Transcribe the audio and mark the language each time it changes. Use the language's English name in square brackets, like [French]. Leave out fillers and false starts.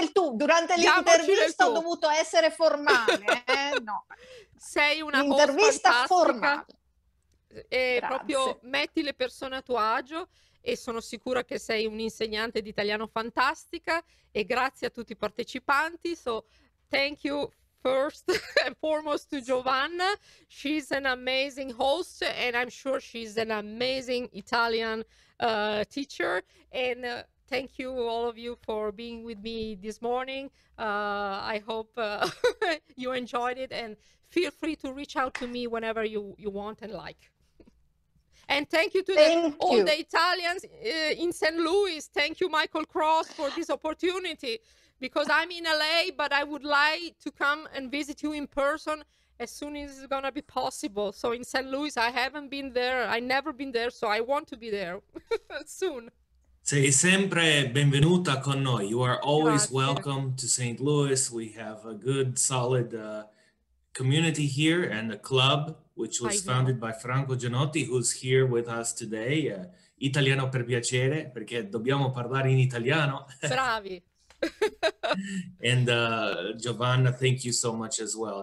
[Italian] del tu, durante l'intervista ho dovuto essere formale. No. Sei una intervista formale. E grazie. Proprio metti le persone a tuo agio e sono sicura che sei un'insegnante di italiano fantastica e grazie a tutti i partecipanti. [English] So, thank you first and foremost to Giovanna. She's an amazing host and I'm sure she's an amazing Italian teacher. And thank you all of you for being with me this morning. I hope you enjoyed it and feel free to reach out to me whenever you want and like. And thank you to all the Italians in St. Louis. Thank you, Michael Cross, for this opportunity. Because I'm in LA, but I would like to come and visit you in person as soon as it's gonna be possible. So in St. Louis, I haven't been there. I never been there, so I want to be there soon. [Italian] Sei sempre benvenuta con noi. [English] You are always welcome to St. Louis. We have a good, solid community here and a club, which was founded by Franco Gianotti, who's here with us today. [Italian] Italiano per piacere, perché dobbiamo parlare in italiano. Bravi. [English] And Giovanna, thank you so much as well.